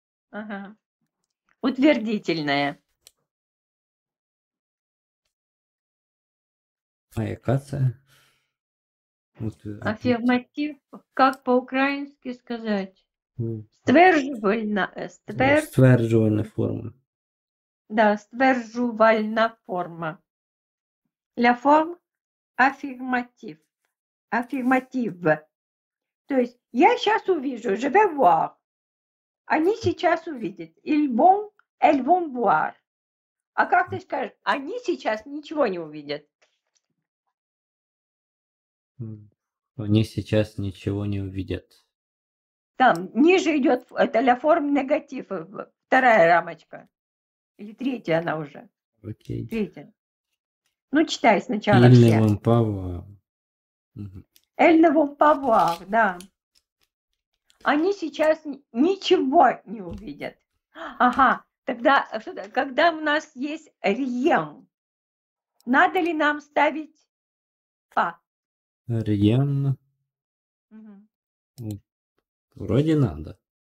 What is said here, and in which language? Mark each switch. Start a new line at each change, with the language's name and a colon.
Russian: Ага. Утвердительная.
Ukrainian: А яка це?
Russian: Аффирматив. Как по-украински сказать?
Ukrainian: Стверджувальна. Стверджувальна форма. Да, стверджувальна форма.
French: La forme affirmative. Affirmative.
Russian: То есть я сейчас увижу,
French: je vais voir.
Russian: Они сейчас увидят.
French: Ils vont, elles vont voir.
Russian: А как ты скажешь, они сейчас ничего не увидят? Они сейчас ничего не увидят. Там ниже идет, это
French: la forme négative,
Russian: вторая рамочка. Или третья она уже. Окей. Третья. Ну, читай сначала.
French: Ils ne vont pas voir. Elle ne vont pas voir, да.
Russian: Они сейчас ничего не увидят. Ага, тогда, когда у нас есть rien, надо ли нам ставить па? Rien. Угу. Вроде надо.